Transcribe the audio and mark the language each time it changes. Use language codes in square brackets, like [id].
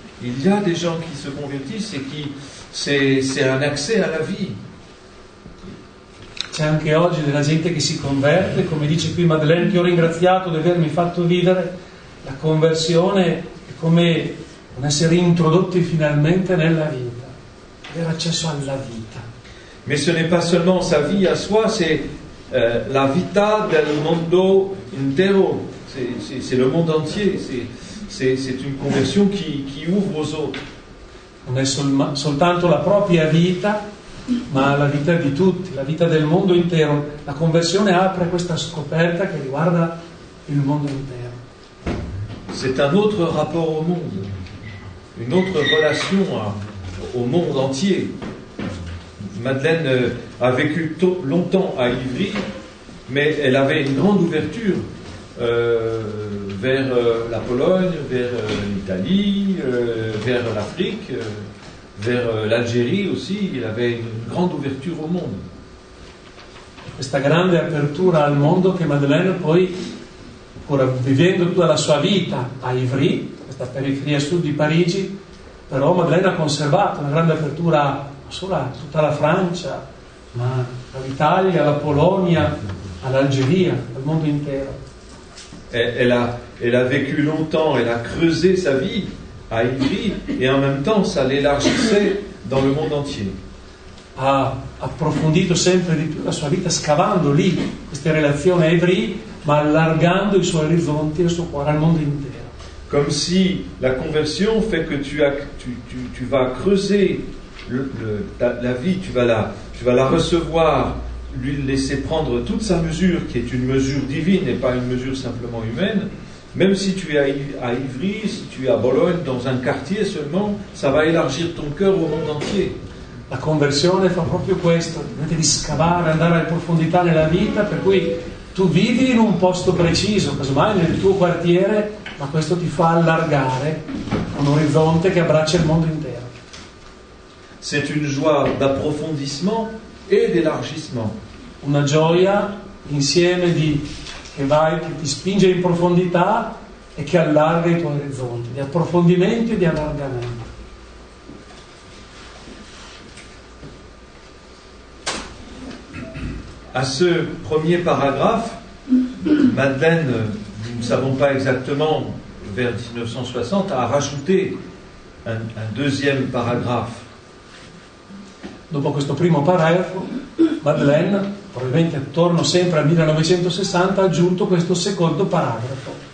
[fr] Il y a des gens qui se convertissent et qui c'est un accès à la vie. [it] C'è anche oggi della gente che si converte, come dice qui Madeleine, ti ho ringraziato di avermi fatto vivere. La conversione è come un essere introdotti finalmente nella vita, avere accesso alla vita. [fr] Mais ce n'est pas seulement sa vie à soi, c'est [it] la vita del mondo intero, [fr] c'est le monde entier, c'est une conversion qui ouvre aux autres. [it] Non è soltanto la propria vita, ma la vita di tutti, la vita del mondo intero. La conversione apre questa scoperta che riguarda il mondo intero. [fr] C'est un autre rapport au monde, une autre relation au monde entier. Madeleine a vécu longtemps à Ivry, mais elle avait une grande ouverture vers la Pologne, vers l'Italie, vers l'Afrique, vers l'Algérie aussi, il avait une grande ouverture au monde. [it] Questa grande apertura al mondo che Madeleine poi, ancora vivendo tutta la sua vita a Ivry, questa periferia sud di Parigi, però Madeleine ha conservato una grande apertura non solo a tutta la Francia, ma all'Italia, alla Polonia, all'Algeria, al mondo intero. [fr] Elle a vécu longtemps, elle a creusé sa vie à Ivry et en même temps ça l'élargissait dans le monde entier. [it] Ha approfondito sempre di più la sua vita scavando lì queste relazioni a Ivry, ma allargando i suoi orizzonti e il suo cuore al mondo intero. [fr] comme si la conversion fait que tu vas creuser la vie, tu vas la recevoir, lui laisser prendre toute sa mesure, qui est une mesure divine et pas une mesure simplement humaine. Même si tu es à Ivry, si tu es à Bologne, dans un quartier seulement, ça va élargir ton cœur au monde entier. [it] La conversione fa proprio questo, devi scavare, andare in profondità nella vita, per cui tu vivi in un posto preciso, casomai nel tuo quartiere, ma questo ti fa allargare un orizzonte che abbraccia il mondo intero. [fr] C'est une joie d'approfondissement et d'élargissement. [it] Una gioia insieme di che ti spinge in profondità e che allarga i tuoi orizzonti, di approfondimento e di allargamento. [fr] À ce premier paragraphe, Madeleine, nous ne savons pas exactement, vers 1960, a rajouté un deuxième paragraphe. [it] Dopo questo primo paragrafo, Madeleine, probabilmente attorno sempre al 1960, ha aggiunto questo secondo paragrafo.